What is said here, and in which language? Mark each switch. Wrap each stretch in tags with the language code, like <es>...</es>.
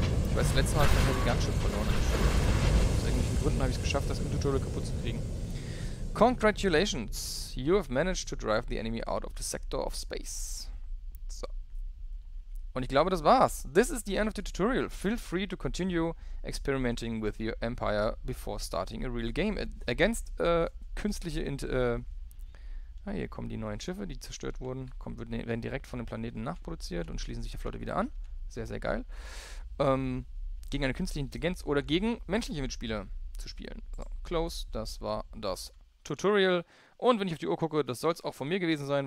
<de>Ich weiß, das letzte Mal habe ich mein Gigantschiff verloren. Aus irgendwelchen Gründen habe ich es geschafft, das im Tutorial kaputt zu kriegen.</de> <en>Congratulations! You have managed to drive the enemy out of the sector of space. So.</en> <de>Und ich glaube, das war's.</de> <en>This is the end of the tutorial. Feel free to continue experimenting with your empire before starting a real game.</en> <de>Against künstliche... hier kommen die neuen Schiffe, die zerstört wurden. Werden direkt von dem Planeten nachproduziert und schließen sich der Flotte wieder an. Sehr, sehr geil. Gegen eine künstliche Intelligenz oder gegen menschliche Mitspieler zu spielen. So, close, das war das Tutorial. Und wenn ich auf die Uhr gucke, das soll es auch von mir gewesen sein.</de>